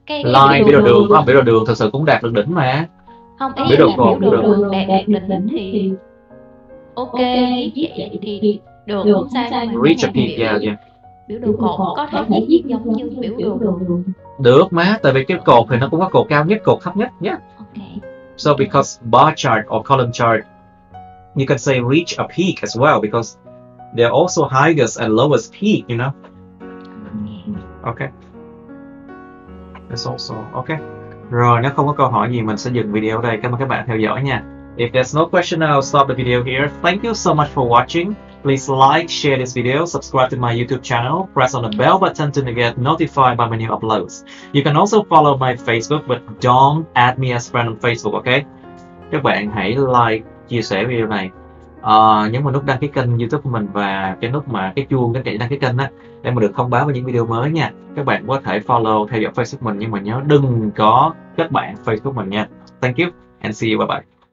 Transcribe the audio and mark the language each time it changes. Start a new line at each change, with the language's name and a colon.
Vietnamese: line, line biểu đồ đường, không biểu đồ đường thật sự cũng đạt được đỉnh mà. Không, ý biểu đồ cột, biểu đồ đường đạt được đỉnh thì ok, vậy thì được, không sao.
English: Reach a peak, yeah, yeah.
Vietnamese: Biểu đồ cột có thể viết giống như biểu đồ đường. Được má, tại vì cái cột thì nó cũng có cột cao nhất, cột thấp nhất nhé. Ok.
English: So because bar chart or column chart, you can say reach a peak as well because they're also highest and lowest peak, you know. Okay. That's also okay.
Vietnamese: Rồi, nếu không có câu hỏi gì, mình sẽ dừng video ở đây. Cảm ơn các bạn theo dõi nha.
English: If there's no question, I'll stop the video here. Thank you so much for watching. Please like, share this video, subscribe to my YouTube channel, press on the bell button to get notified by my new uploads. You can also follow my Facebook, but don't add me as friend on Facebook, okay?
Vietnamese: Các bạn hãy like, chia sẻ video này. Nhấn vào nút đăng ký kênh YouTube của mình và cái nút mà cái chuông cái đăng ký kênh á để mà được thông báo về những video mới nha. Các bạn có thể follow theo dõi Facebook mình nhưng mà nhớ đừng có kết bạn Facebook mình nha.
English: Thank you and see you, bye bye.